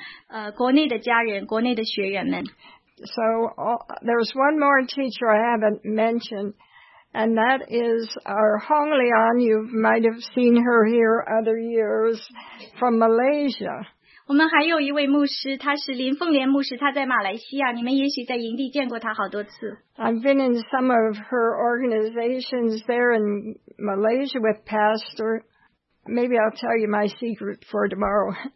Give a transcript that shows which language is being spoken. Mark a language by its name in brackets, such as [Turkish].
[Chinese] 我们老师都很感恩这些同工们能够联络国内的家人，国内的学员们。 [English] So there's one more teacher I haven't mentioned, and that is our Hong Leon. You might have seen her here other years from Malaysia. [Chinese] 我们还有一位牧师，他是林凤莲牧师，他在马来西亚，你们也许在营地见过他好多次。 [English] I've been in some of her organizations there in Malaysia with Pastor. Maybe I'll tell you my secret for tomorrow.